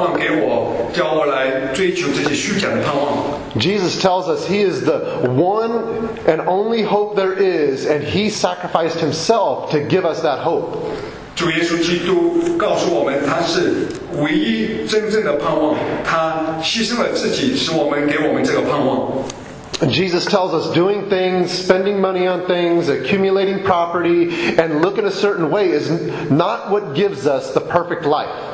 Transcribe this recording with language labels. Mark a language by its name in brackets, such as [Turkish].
[Chinese] 主耶稣基督从来没有把一些虚假的盼望给我，叫我来追求这些虚假的盼望。 [English] Jesus tells us He is the one and only hope there is, and He sacrificed Himself to give us that hope. [Chinese] 主耶稣基督告诉我们，他是唯一真正的盼望，他牺牲了自己，使我们给我们这个盼望。 [English] Jesus tells us doing things, spending money on things, accumulating property, and looking a certain way is not what gives us the perfect life.